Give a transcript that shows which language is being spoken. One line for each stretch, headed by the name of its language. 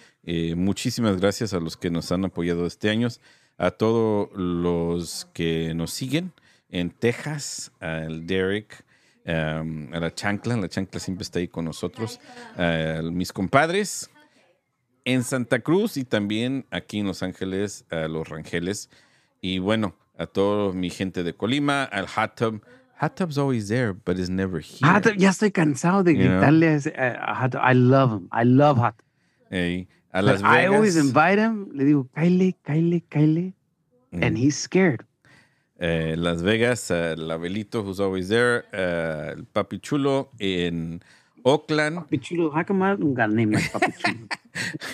Spanish: Muchísimas gracias a los que nos han apoyado este año, a todos los que nos siguen en Texas, al Derek. A la chancla siempre está ahí con nosotros, mis compadres en Santa Cruz y también aquí en Los Ángeles, a Los Rangeles, y bueno, a toda mi gente de Colima, al Hot Tub.
English: Hot Tub's always there, but it's never here.
Spanish: Hot Tub, ya estoy cansado de gritarle a Hot Tub.
English: I love him, I love Hot Tub.
Spanish: Hey, a Las Vegas.
English: I always invite him,
Spanish: le digo,
English: Kyle, and he's scared.
Spanish: Las Vegas, el Abelito,
English: who's always there,
Spanish: el Papi Chulo en Oakland.
English: Papi Chulo, how come I don't got a name like Papi Chulo?